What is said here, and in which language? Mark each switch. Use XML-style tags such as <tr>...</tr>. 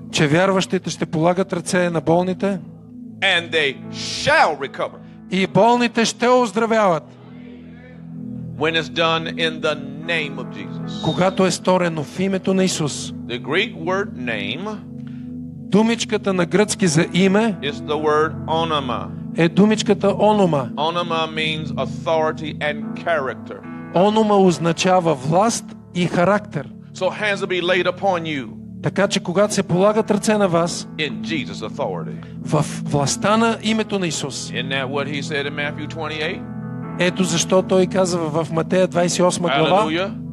<bg>Че вярващите ще полагат ръце на болните.</bg> <en>And they shall recover.</en> <bg>И болните ще оздравяват.</bg> <en>When it's done in the name of Jesus.</en> <bg>Когато е сторено в името на Исус.</bg> <en>The Greek word name.</en> <bg>Думичката на гръцки за име.</bg> <en>Is the word onoma.</en> <bg>Е думичката онома.</bg> <en>Onoma means authority and character.</en> <bg>Онома означава власт и характер.</bg> <en>So hands will be laid upon you.</en> <bg>Така че когато се полагат ръце на вас.</bg> <en>In Jesus authority.</en> <bg>В властта на името на Исус.</bg> <en>Isn't that what he said in Matthew 28?</en> <bg>Ето защо той казва в Матея 28 глава.</bg>